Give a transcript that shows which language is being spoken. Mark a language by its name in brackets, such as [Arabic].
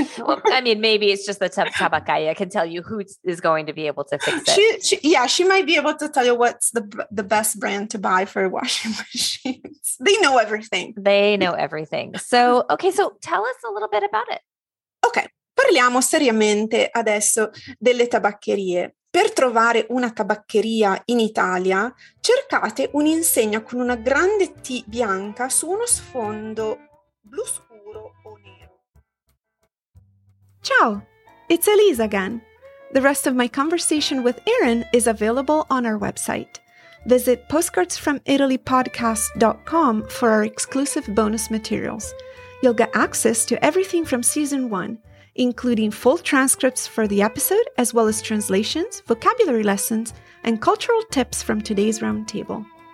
[English] Well, I mean, maybe it's just the tabaccaia can tell you who is going to be able to fix it. She might be able to tell you what's the best brand to buy for washing machines. They know everything. They know everything. So, okay, so tell us a little bit about it. [Italian] Okay, parliamo seriamente adesso delle tabaccherie. Per trovare una tabaccheria in Italia, cercate un'insegna con una grande T bianca su uno sfondo blu scuro o nero. [English] Ciao, it's Elise again. The rest of my conversation with Erin is available on our website. Visit postcardsfromitalypodcast.com for our exclusive bonus materials. you'll get access to everything from season one, including full transcripts for the episode, as well as translations, vocabulary lessons, and cultural tips from today's roundtable.